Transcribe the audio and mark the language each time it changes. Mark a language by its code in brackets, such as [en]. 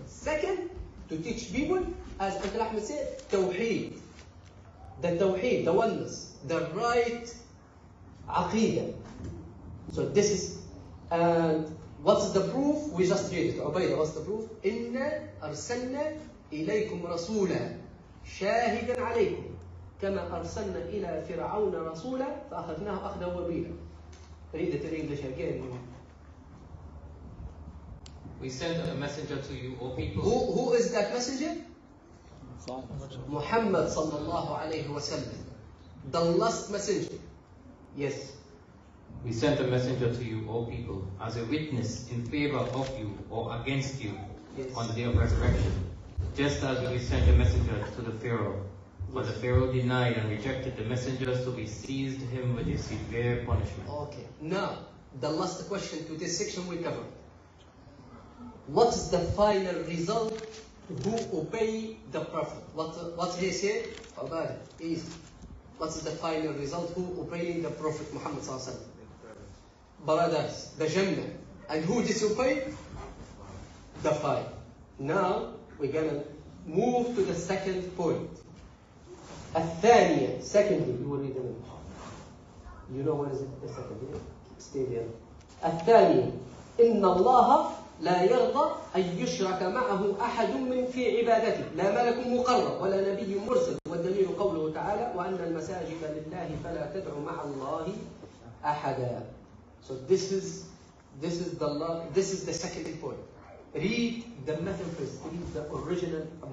[en] Second, to teach people, as Uncle Ahmed said, tawheed. The tawheed, the oneness, the right aqeedah. So this is, and what's the proof? We just read it. Ubaidah, what's the proof? [ar] Inna arsalna ilaykum rasoola. شاهدًا عليكم كما أرسلنا إلى فرعون رسولا فأخذناه أخذا وبيلا. [en] Read it in English again. We sent a messenger to you, O people. Who is that messenger? Muhammad. [ar] Muhammad صلى الله عليه وسلم. [en] The last messenger. Yes. We sent a messenger to you, O people, as a witness in favor of you or against you. Yes. On the day of resurrection. Just as we sent a messenger to the Pharaoh, but the Pharaoh denied and rejected the messenger, so we seized him with a severe punishment. Okay, now, the last question to this section we covered. What's the final result who obey the Prophet? What he said about it is, what's the final result who obey the Prophet Muhammad Sallallahu Alaihi Wasallam? Brothers, the Jannah. And who disobeyed? The fire. Now, we're gonna move to the second point. [ar] الثانية, [en] secondly, you will read them. You know what is it? The second, yeah? Stay there. [ar] الثانية, إن الله لا يرضى أن يشرك معه أحد من في عبادته. لا ملك مقرب ولا نبي مرسل. والدليل قوله تعالى, وأن المساجد لله فلا تدعو مع الله أحدا. [en] So this is This is the love. This is the second point. Read the method first. Read the original.